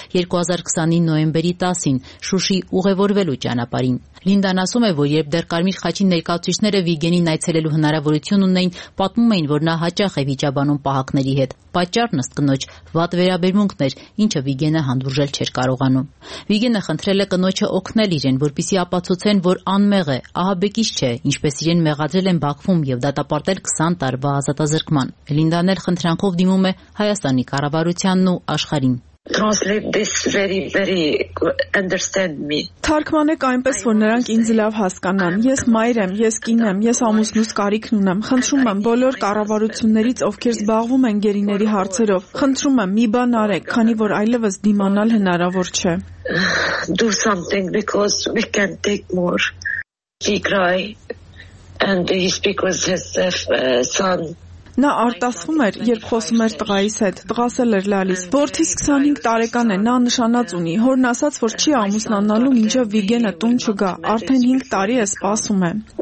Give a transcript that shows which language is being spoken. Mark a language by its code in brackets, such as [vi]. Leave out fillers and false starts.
[hy] 2020-ի նոյեմբերի 10-ին Շուշի ուղևորվելու ճանապարհին։ Լինդան ասում է, որ երբ դեռ Կարմիր խաչի ներկայացուցիչները Վիգենին այցելելու հնարավորություն ունեին, պատմում էին, որ նա հաճախ է վիճաբանում պահակների հետ։ Պատճառն ըստ կնոջ վատ վերաբերմունքն էր, ինչը Վիգենը հանդուրժել չէր կարողանում։ Վիգենը խնդրել է կնոջը օգնել իրեն, որպեսզի ապացուցեն, որ անմեղ է, ահաբեկիչ չէ, ինչպես իրեն մեղադրել են Բաքվում և դատապարտել 20 տարվա ազատազրկման։ Լինդան էլ խնդրանքով դիմում է Հայաստանի կառավարությանն ու աշխարհին։ [en] Translate this very, very understand me. [hy] Թարգմանեք այնպես, որ նրանք ինձ լավ հասկանան. Ես մայր եմ, ես կին եմ, ես ամուսնուս կարիքն ունեմ. Խնդրում եմ բոլոր կառավարություններից, ովքեր զբաղվում են գերիների հարցերով, խնդրում եմ մի բան արեք, քանի որ այլևս դիմանալ հնարավոր չէ. [en] Do something because we can take more. He cry and he speak with his son. [hy] Նա արտասվում էր, երբ խոսում էր տղայիս հետ, տղաս էլ էր լալիս, որդիս 25 տարեկան է, նա նշանած ունի, հորն ասաց, որ չի ամուսնանալու, մինչև Վիգենը տուն չգա, արդեն 5 տարի է սպասում է։